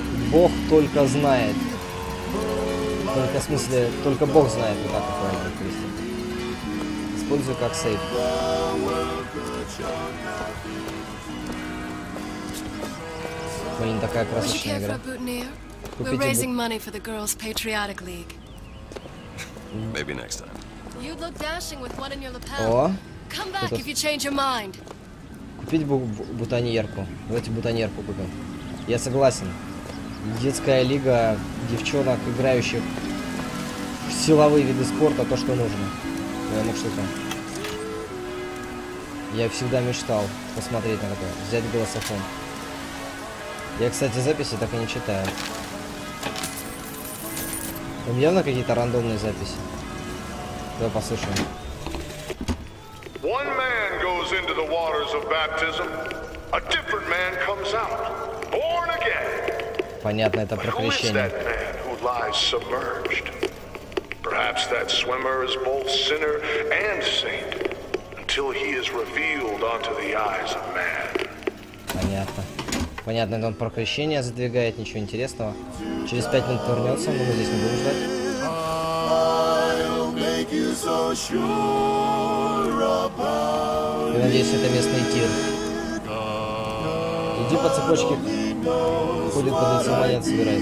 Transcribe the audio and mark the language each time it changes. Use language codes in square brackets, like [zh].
[ru] Бог только знает. Только в смысле, только Бог знает, как это правильно перевести. Использую как сейф. Блин, такая красочная игра. [en] We're raising money for the girls' patriotic league. Maybe next time. You look dashing with one in your lapel. Come back if you change your mind. [ru] Купить бутоньерку. Давайте бутоньерку купим. Я согласен. Детская лига девчонок, играющих. Силовые виды спорта, то, что нужно. Ну, что-то. Я всегда мечтал посмотреть на такое. Взять голософон. Я, кстати, записи так и не читаю. Там явно какие-то рандомные записи. Давай послушаем. [en] One man goes into the waters of baptism, a different man comes out, born again. [ru] Понятно, это про крещение. [en] But who is that man who lies submerged? Perhaps that swimmer is both sinner and saint, until he is revealed unto the eyes of man. [ru] Понятно. Понятно, это он про крещение задвигает, ничего интересного. Через 5 минут вернется, мы здесь не будем ждать. Я надеюсь, это местный тир. Иди по цепочке. Ходит под лицом монет, собирает.